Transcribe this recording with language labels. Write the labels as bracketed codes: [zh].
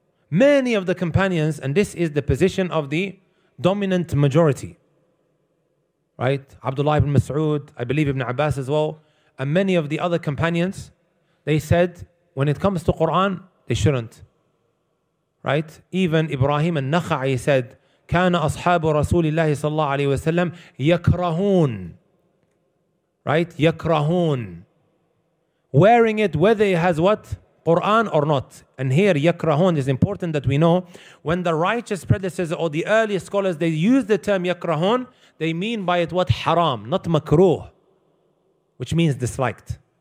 [en] Many of the companions, and this is the position of the dominant majority, right? Abdullah ibn Mas'ud, I believe Ibn Abbas as well, and many of the other companions, they said, when it comes to Quran, they shouldn't, right? Even Ibrahim al-Nakhai said, [ar] كان أصحاب رسول الله صلى الله عليه وسلم يكرهون, [en] right? [ar] يكرهون. [en] Wearing it, whether it has what? Quran or not. And here, yakrahun is important that we know. When the righteous predecessors or the early scholars, they use the term yakrahun, they mean by it what? Haram, not makruh, which means disliked.